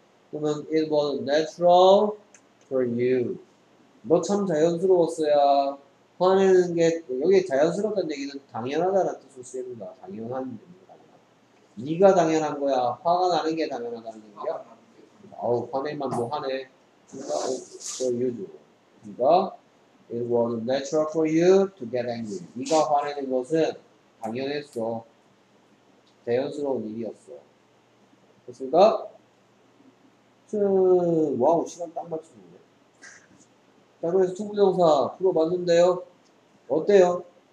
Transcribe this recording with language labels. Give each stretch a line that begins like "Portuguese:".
Korean: 그러면
English: it was natural for you.
Korean: 너 참 자연스러웠어야. 화내는 게 여기 자연스럽다는 얘기는 당연하다는 뜻으로 쓰입니다. 당연한 겁니다. 네가 당연한 거야. 화가 나는 게 당연하다는 얘기야. 아우 화내면 뭐 화내. 그러니까
English: for you.
Korean: 그러니까
English: it was natural for you to get angry.
Korean: 네가 화내는 것은 당연했어. 자연스러운 일이었어. 됐습니까? 와우 시간 딱 맞추는데. 자 그래서 투부정사 풀어봤는데요. 어때요?